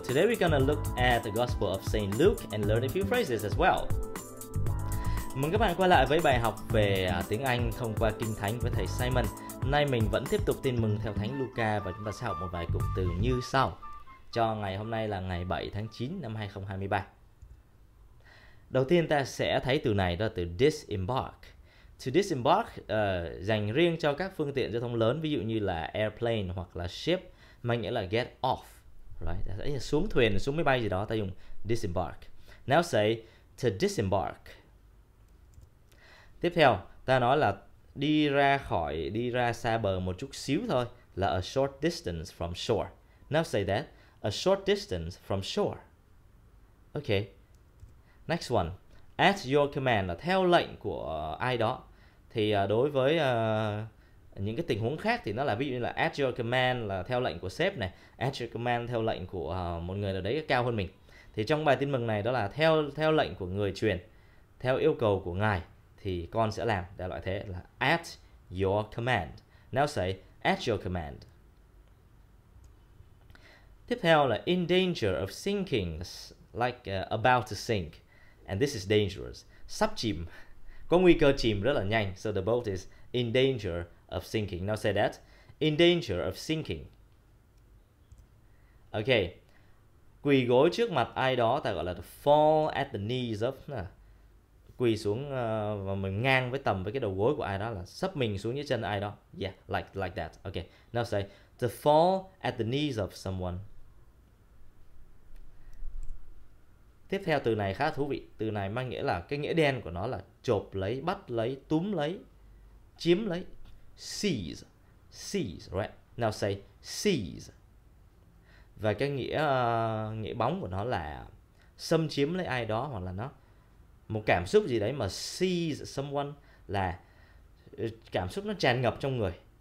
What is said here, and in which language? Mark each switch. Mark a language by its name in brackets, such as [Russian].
[English] Today we're gonna look at the Gospel of Saint Luke and learn a few phrases as well. [Vietnamese] Mừng các bạn quay lại với bài học về tiếng Anh thông qua Kinh Thánh với thầy Simon. Nay mình vẫn tiếp tục tin mừng theo Thánh Luca và chúng ta sẽ học một vài cụm từ như sau. Cho ngày hôm nay là ngày 7 tháng 9 năm 2023. Đầu tiên ta sẽ thấy từ này đó là từ disembark. To disembark dành riêng cho các phương tiện giao thông lớn, ví dụ như là airplane hoặc là ship, mang nghĩa là [English] get off, right? [Vietnamese] Là xuống thuyền, xuống máy bay gì đó, ta dùng disembark. [English] Now say to disembark. [Vietnamese] Tiếp theo, ta nói là đi ra xa bờ một chút xíu thôi, là [English] a short distance from shore. Now say that, a short distance from shore. Okay. Next one, at your command, [Vietnamese] là theo lệnh của ai đó. Thì đối với những cái tình huống khác thì nó là ví dụ như là [English] at your command, [Vietnamese] là theo lệnh của sếp này, at your command, theo lệnh của một người nào đấy cao hơn mình. Thì trong bài tin mừng này đó là theo lệnh của người truyền, theo yêu cầu của ngài thì con sẽ làm, đại loại thế, là [English] at your command. Now say at your command. [Vietnamese] Tiếp theo là [English] in danger of sinking, like about to sink, and this is dangerous. [Vietnamese] Sắp chìm, có nguy cơ chìm rất là nhanh. [English] So the boat is in danger of sinking. Now say that, in danger of sinking. [Vietnamese] Okay, quỳ gối trước mặt ai đó ta gọi là [English] to fall at the knees of, [Vietnamese] quỳ xuống và mình ngang với tầm với cái đầu gối của ai đó, là sấp mình xuống dưới chân ai đó. [English] Yeah, like that. Okay, now say to fall at the knees of someone. [Vietnamese] Tiếp theo từ này khá thú vị. Từ này mang nghĩa là, cái nghĩa đen của nó là chộp lấy, bắt lấy, túm lấy, chiếm lấy. [English] Seize. Seize, right? Now say seize. [Vietnamese] Và cái nghĩa bóng của nó là xâm chiếm lấy ai đó, hoặc là nó một cảm xúc gì đấy mà seize someone là cảm xúc nó tràn ngập trong người.